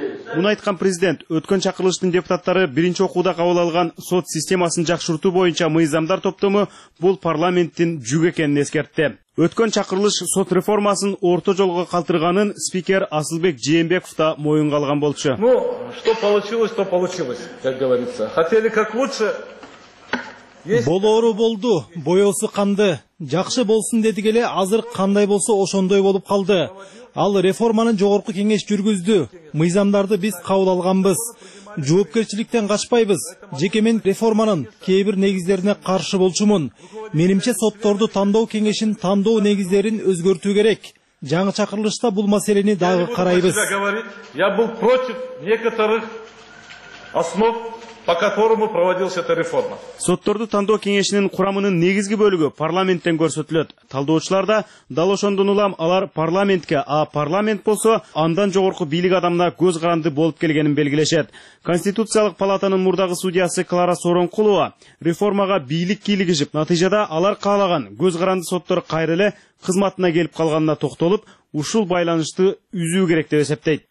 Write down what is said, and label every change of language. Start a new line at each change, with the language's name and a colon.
Kyrgyz: Муну айткан президент өткөн чакырылыштын депутаттары биринчи окууда кабыл алган сот системасын жакшыртуу боюнча мыйзамдар топтому бул парламенттин жүгү экенин эскертти. Өткөн чакырылыш сот реформасын орто жолго калтырганын спикер Асылбек Жээнбеков да моюнга алган болчу.
Russian: Ну что получилось то получилось, как говорится. Хотели как лучше.
Kyrgyz: Болоору болду, боёсу канды. Жакшы болсун дедик эле азыр кандай болсо ошондой болуп калды. Ал реформаны жогорку кеңеш жүргүздү. Мыйзамдарды биз кабыл алганбыз. Жоопкерчиликтен качпайбыз. Жеке мен реформанын кээ бир негиздерине каршы болчумун. Менимче сотторду тандоо кеңешин тандоо негиздерин өзгөртүү керек. Жаңы чакырылышта бул маселени дагы карайбыз.
Russian: Я был против некоторых основ, по которому проводилась эта реформа.
Kyrgyz: Сотторду тандоо кеңешинин курамынын негизги бөлүгү парламенттен көрсөтүлөт. Талдоочулар да дал ошондон улам алар парламентке, а парламент болсо андан жогорку бийлик адамына көз каранды болуп келгенин белгилешет. Конституциялык палатанын мурдагы судьясы Клара Соронкулова реформага бийлик кийлигишип, натыйжада алар каалаган көз каранды соттор кайра эле кызматына келип калганына токтолуп, ушул байланышты үзүү керек деп эсептейт.